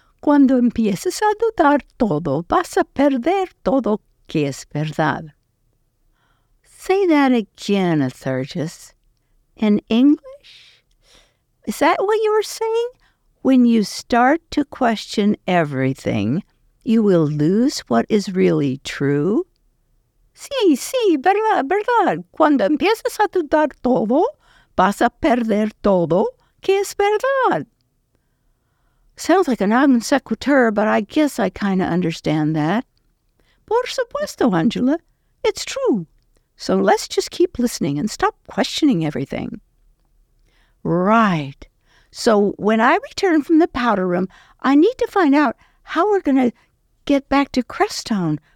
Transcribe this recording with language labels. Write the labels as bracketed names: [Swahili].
[Spanish] Cuando empieces a dudar todo, vas a perder todo que es verdad. [English] Say that again, Atherius. In English? Is that what you were saying? When you start to question everything, you will lose what is really true? [Spanish] Sí, verdad. Cuando empieces a dudar todo, vas a perder todo que es verdad. [English] Sounds like a non sequitur, but I guess I kind of understand that. [Spanish] Por supuesto, Angela. [English] It's true. So let's just keep listening and stop questioning everything. Right. So when I return from the powder room, I need to find out how we're going to get back to Crestone.